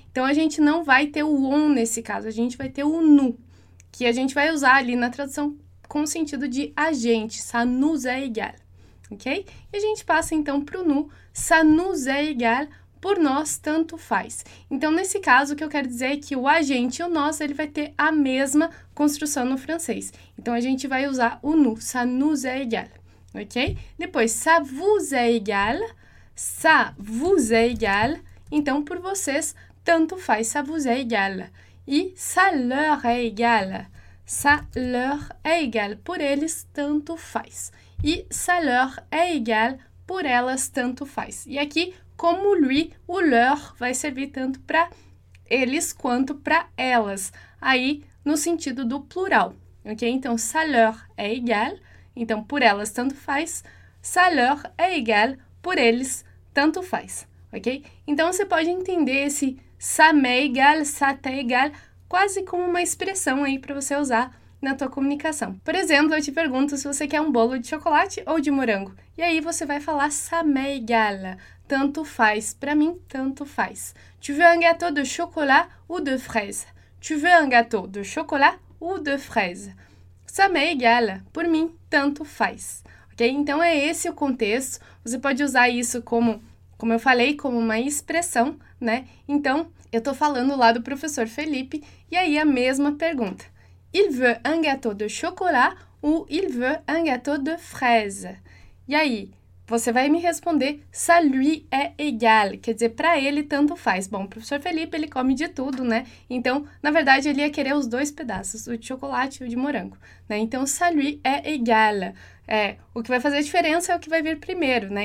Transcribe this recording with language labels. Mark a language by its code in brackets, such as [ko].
[pt] Então a gente não vai ter o on nesse caso, a gente vai ter o nu, que a gente vai usar ali na tradução com o sentido de a gente, [fr] ça nous est égal. [pt] Ok? E a gente passa então para o nu, [fr] ça nous est égal, [pt] por nós tanto faz. Então nesse caso o que eu quero dizer é que o a gente e o nós ele vai ter a mesma construção no francês. Então a gente vai usar o nu, [fr] ça nous est égal. [pt] Ok? [fr] Depois, ça vous est égal, ça vous est égal. [pt] Então, por vocês, tanto faz, [fr] ça vous est égal. E ça leur est égal. Ça leur est égal. [pt] Por eles, tanto faz. E [fr] ça leur est égal. [pt] Por elas, tanto faz. E aqui, como lui, o leur vai servir tanto para eles quanto para elas. Aí, no sentido do plural. Ok? Então, [fr] ça leur est égal. [pt] Então, por elas, tanto faz. [fr] Ça leur est égal. [pt] Por eles, tanto faz. Ok? Então você pode entender esse [fr] ça m'est égal, ça t'est égal [pt] quase como uma expressão aí para você usar na tua comunicação. Por exemplo, eu te pergunto se você quer um bolo de chocolate ou de morango. E aí você vai falar [fr] ça m'est égal, [pt] tanto faz, para mim tanto faz. [fr] Tu veux un gâteau de chocolat ou de fraise? Tu veux un gâteau de chocolat ou de fraise? Ça m'est égal, [pt] por mim tanto faz. Ok? Então é esse o contexto. Você pode usar isso como eu falei, como uma expressão, né? Então, eu tô falando lá do professor Felipe, e aí a mesma pergunta. [fr] Il veut un gâteau de chocolat ou il veut un gâteau de fraise? [pt] E aí, você vai me responder, [fr] ça lui est égal, [pt] quer dizer, para ele tanto faz. Bom, o professor Felipe, ele come de tudo, né? Então, na verdade, ele ia querer os dois pedaços, o de chocolate e o de morango, né? Então, [fr] ça lui est égal. [pt] É, o que vai fazer a diferença é o que vai vir primeiro, né?